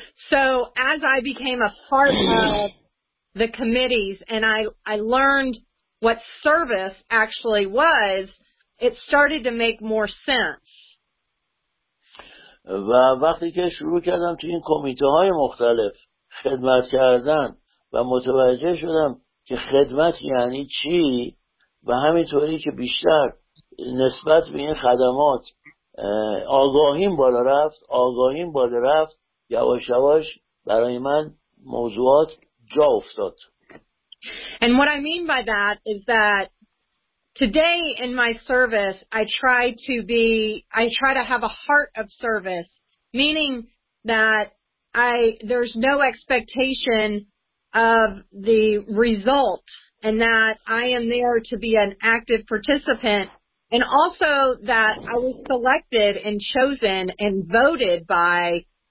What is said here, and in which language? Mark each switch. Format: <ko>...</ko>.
<en>So as I became a part of the committees and I learned what service actually was, it started to make more sense.</en> <fa>و وقتی که شروع کردم تو این کمیته های مختلف خدمت کردن و متوجه شدم که خدمت یعنی چی و همینطوری که بیشتر نسبت به این خدمات آگاهیم بالا رفت یواش یواش برای من موضوعات جا افتاد.</fa> <en>And what I mean by that is that today in my service, I try to have a heart of service, meaning that there's no expectation of the result, and that I am there to be an active participant, and also that I was selected and chosen and voted by</en>